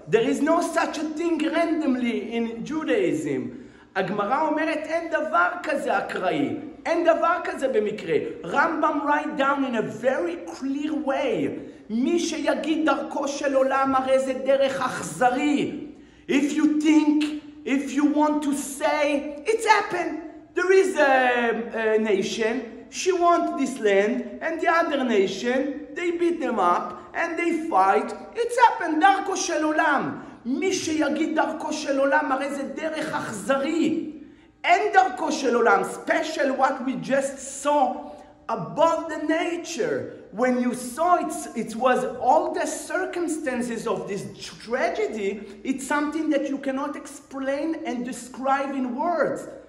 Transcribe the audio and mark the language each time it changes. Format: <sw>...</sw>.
<en>There is no such a thing randomly in Judaism.</en> <he>הגמרא אומרת, אין דבר כזה אקראי. אין דבר כזה במקרה.</he> <en>רמב״ם write down in a very clear way.</en> <he>מי שיגיד דרכו של עולם, הרי זה דרך אכזרי.</he> <en>If you think, if you want to say, it's happened. There is a nation, she wants this land, and the other nation, they beat them up, and they fight. It's happened,</en> <he>דרכו של עולם. מי שיגיד דרכו של עולם, הרי זה דרך אכזרי. אין דרכו של עולם,</he> <en>special what we just saw above the nature. When you saw it, it was all the circumstances of this tragedy, it's something that you cannot explain and describe in words.</en>